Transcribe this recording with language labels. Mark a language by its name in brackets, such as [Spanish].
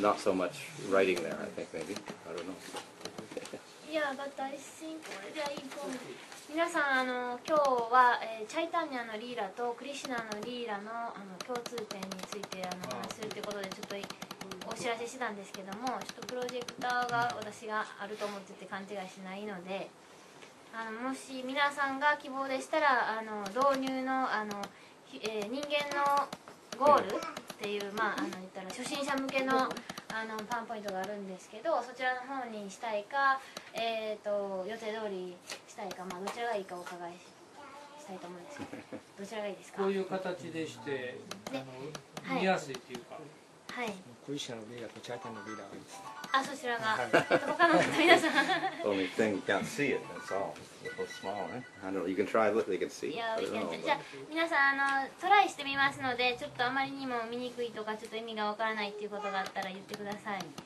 [English] Not so much writing there, I think, maybe. I don't know. Yeah, but I think very important. [Japanese] 皆さん、今日は、チャイタンニャのリーラとクリシナのリーラ の, 共通点についてお話するということでちょっとお知らせしてたんですけども、ちょっとプロジェクターが私があると思ってて勘違いしないので、もし皆さんが希望でしたら導入 の, 人間のゴールっていう、まあ、言ったら初心者向けのパワーポイントがあるんですけど、そちらの方にしたいか、予定通りしたいか、まあ、どちらがいいかお伺い したいと思うんですけど、どちらがいいですか。こういう形でして見やすいというか、はい、クリシャのビーラーとチャイタンのビーラーがいいです。あ、そちらが他の方、皆さん [English] Only thing you can't see it, that's all. It's all small, right? I don't know, you can try it, look, they can see. Yeah, we can. [Japanese] じゃあ、皆さん、トライしてみますので、ちょっとあまりにも見にくいとか、ちょっと意味がわからないっていうことがあったら言ってください。